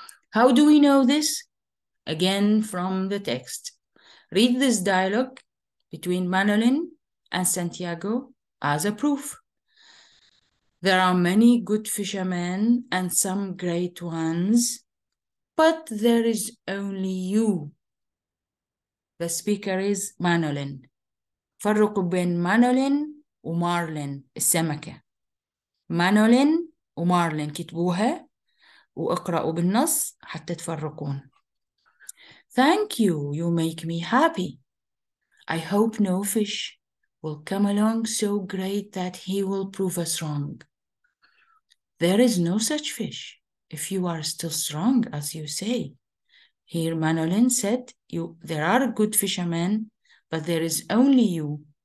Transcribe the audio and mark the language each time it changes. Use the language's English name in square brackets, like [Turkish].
[English] How do we know this? Again, from the text. Read this dialogue between Manolin and Santiago as a proof. There are many good fishermen and some great ones, but there is only you. The speaker is Manolin. [Arabic] فرق بين مانولين ومارلين السمكة. مانولين ومارلين كتبوها واقرأوا بالنص حتى تفرقون. [English] Thank you, you make me happy. I hope no fish will come along so great that he will prove us wrong. There is no such fish if you are still strong as you say. Here Manolin said, there are good fishermen, but there is only you.